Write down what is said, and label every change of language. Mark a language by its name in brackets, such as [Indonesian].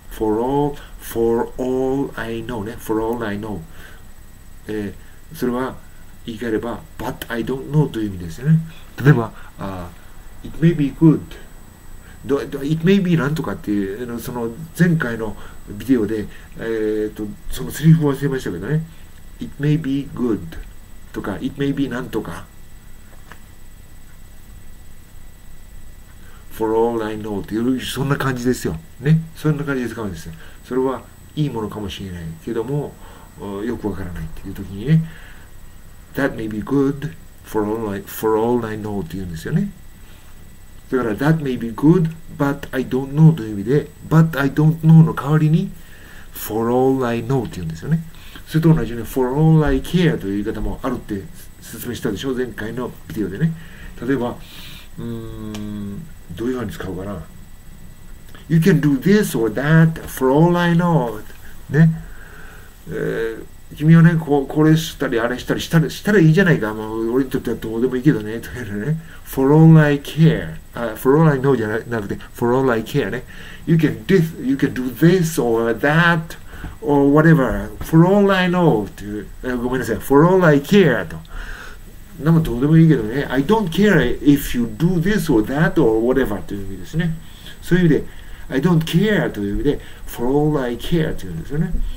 [Japanese] For all, for all I know ね。 [English] For all I know、 [Japanese] それは言い換えれば [English] But I don't know [Japanese] という意味ですよね。例えば、It may be good It may be なんとかっていうの、その前回のビデオで、そのセリフを忘れましたけどね。 [English] It may be good とか It may be なんとかFor all I know [Japanese] という、そんな感じですよ。ね。そんな感じで使うんですよ。それはいいものかもしれないけども、よくわからないっていうときにね。 [English] That may be good for all I know [Japanese] というんですよね。だから、 [English] That may be good, but I don't know [Japanese] という意味で、But I don't know の代わりに、 [English] For all I know [Japanese] というんですよね。それと同じように、 [English] For all I care [Japanese] という言い方もあるって説明したでしょ、前回のビデオでね。例えば、どういうふうに使うかな。 [English] You can do this or that for all I know ね。 [Japanese] 君はね、これしたりあれしたりしたらいいじゃないか。まあ、俺にとってはどうでもいいけどね。とね。 [English] For all I care、for all I know [Japanese] じゃなくて [English] for all I care ね。 You can do this or that or whatever for all I know [Japanese] と、ごめんなさい。 [English] For all I care と。 [Japanese] なんかどうでもいいけどね。 [English] I don't care if you do this or that or whatever [Japanese] という意味ですね。そういう意味で、 [English] I don't care [Japanese] という意味で、 [English] for all I care [Japanese] という意味ですよね。